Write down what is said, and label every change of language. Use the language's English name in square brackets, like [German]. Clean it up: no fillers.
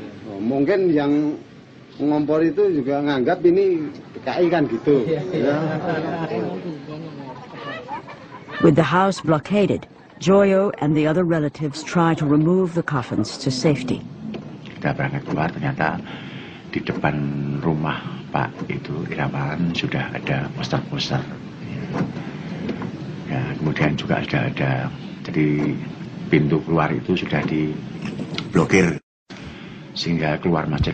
[Indonesian] Oh, mungkin yang ngompor itu juga nganggap ini PKI kan gitu. [English] With the house blockaded, Joyo and the other relatives try to remove the coffins to safety. [Indonesian] Kita berangkat keluar, ternyata di depan rumah Pak itu Irawan sudah ada poster-poster. Ya, kemudian juga sudah ada, jadi pintu keluar itu sudah diblokir sehingga keluar masuk.